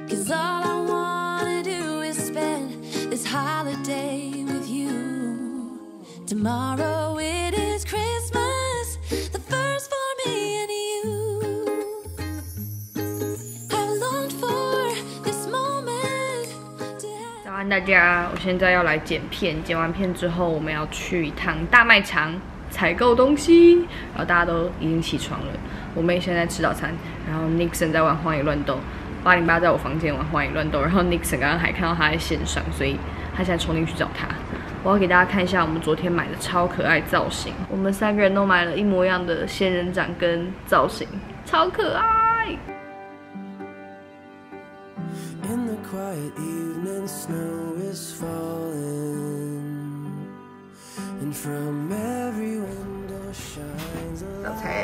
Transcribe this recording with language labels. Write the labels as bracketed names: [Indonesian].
[English] Cause all I wanna do is spend this holiday with you. Tomorrow it is Christmas, the first for me and you. I've longed for this moment. [Chinese] 早安大家，我现在要来剪片，剪完片之后我们要去一趟大卖场采购东西，然后大家都已经起床了。我妹现在吃早餐，然后 Nixon 在玩荒野乱斗，808在我房间玩荒野乱斗，然后 Nixon 刚刚还看到他在线上，所以他现在冲进去找他。我要给大家看一下我们昨天买的超可爱造型，我们三个人都买了一模一样的仙人掌跟造型，超可爱。 [English] In the quiet evening, snow is falling, and from every window shines a light.